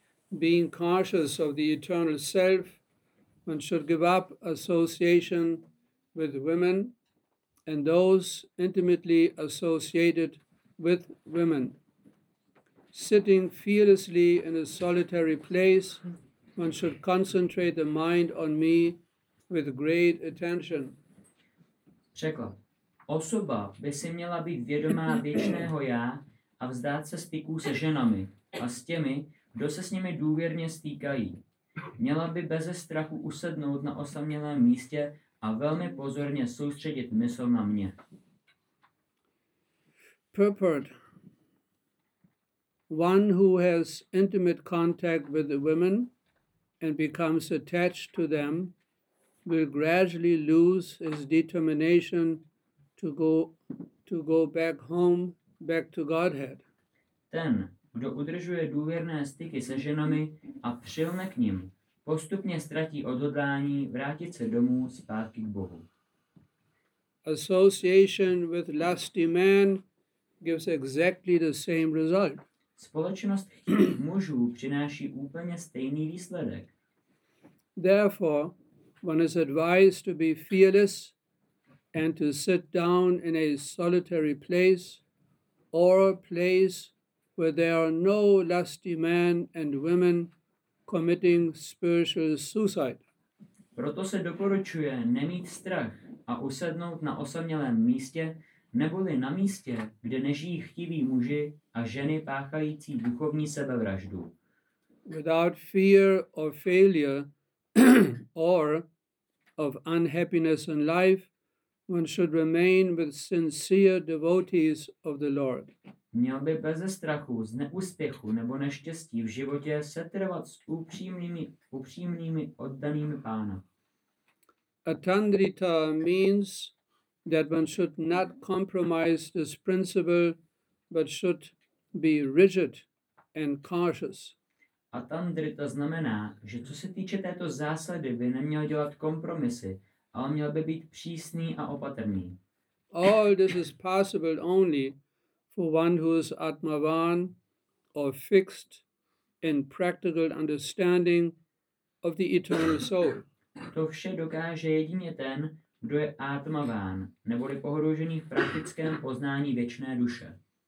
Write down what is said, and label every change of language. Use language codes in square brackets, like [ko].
[en] Being conscious of the eternal self, one should give up association with women and those intimately associated with women. Sitting fearlessly in a solitary place, one should concentrate the mind on me with great attention. [cs] Překlad. Osoba by si měla být vědomá věčného já a vzdát se styků se ženami a s těmi, kdo se s nimi důvěrně stýkají. Měla by beze strachu usednout na osamělém místě a velmi pozorně soustředit mysl na mě. [en] Purport. One who has intimate contact with the women and becomes attached to them will gradually lose his determination to go back home, back to Godhead. [cs] Ten, kdo udržuje důvěrné styky se ženami a přilne k ním, postupně ztratí odhodlání vrátit se domů zpátky k Bohu. [en] Association with lusty men gives exactly the same result. [cs] Společnost chtivých mužů přináší úplně stejný výsledek. [en] Therefore, one is advised to be fearless and to sit down in a solitary place or a place where there are no lusty men and women committing spiritual suicide. [cs] Proto se doporučuje nemít strach a usednout na osamělém místě, neboli na místě, kde nežijí chtiví muži a ženy páchající duchovní sebevraždu. [en] Without fear of failure or of unhappiness in life, one should remain with sincere devotees of the Lord. [cs] Měl by beze strachu z neúspěchu nebo neštěstí v životě setrvat s upřímnými oddanými pána. [en] Atandrita means that one should not compromise this principle, but should be rigid and cautious. [cs] Atandrita znamená, že co se týče této zásady, by neměl dělat kompromisy, ale měl by být přísný a opatrný. [en] All this is possible only for one who is atmavan or fixed in practical understanding of the eternal soul. [cs] To vše dokáže jedině ten, kdo je atmavan, neboli pohroužený v praktickém poznání věčné duše.